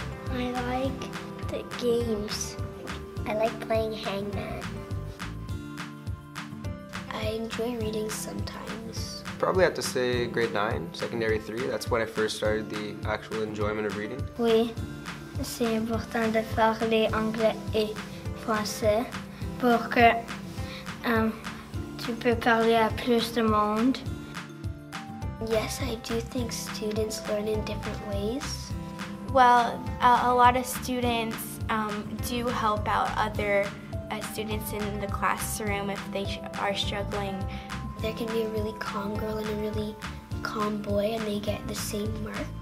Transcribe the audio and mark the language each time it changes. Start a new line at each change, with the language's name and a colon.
English: I like the games. I like playing hangman. I enjoy reading sometimes. Probably have to say grade 9, secondary 3. That's when I first started the actual enjoyment of reading.
French: Oui. C'est important de parler anglais et français pour que tu peux parler à plus de monde.
English: Yes, I do think students learn in different ways. Well, a lot of students do help out other students in the classroom if they are struggling. There can be a really calm girl and a really calm boy and they get the same mark.